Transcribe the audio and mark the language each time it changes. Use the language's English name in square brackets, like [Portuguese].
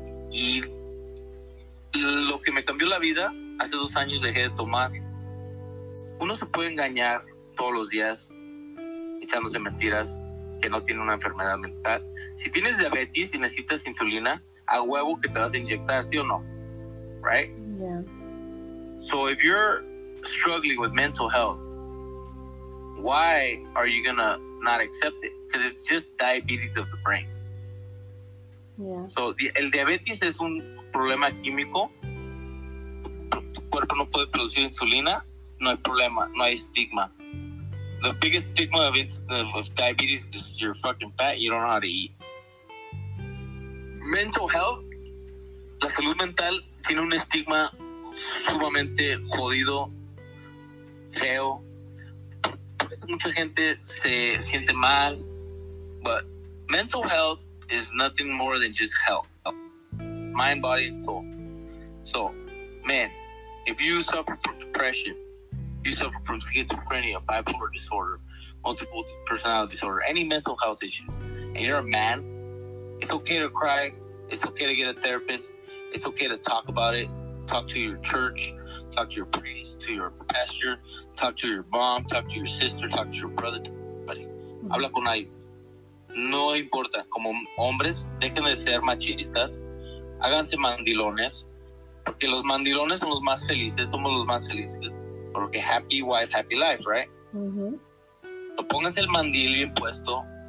[Spanish] Y lo que me cambió la vida, hace 2 años dejé de tomar. Uno se puede engañar todos los días echándose mentiras que no tiene una enfermedad mental. Si tienes diabetes y necesitas insulina, a huevo que te vas a inyectar, ¿sí o no? [English] Right? Yeah. So if you're struggling with mental health, why are you gonna not accept it? Because it's just diabetes of the brain. Yeah. [Spanish] So el diabetes es un problema químico. Tu cuerpo no puede producir insulina, no hay problema, no hay estigma. [English] The biggest stigma of diabetes is you're fucking fat, you don't know how to eat. [Spanish] Mental health, la salud mental, tiene un estigma sumamente jodido, feo. Mucha gente se siente mal, [English] but mental health is nothing more than just health. Mind, body, and soul. So, man, if you suffer from depression, you suffer from schizophrenia, bipolar disorder, multiple personality disorder, any mental health issues, and you're a man, it's okay to cry, it's okay to get a therapist, it's okay to talk about it, talk to your church, talk to your priest, to your pastor, talk to your mom, talk to your sister, talk to your brother, buddy. [Spanish] Habla con alguien. No importa, como hombres, dejen de ser machistas, háganse mandilones, porque los mandilones son los más felices, somos los más felices. [English] Porque happy wife, happy life, right? Mm-hmm. [Spanish] Pónganse el mandil bien puesto.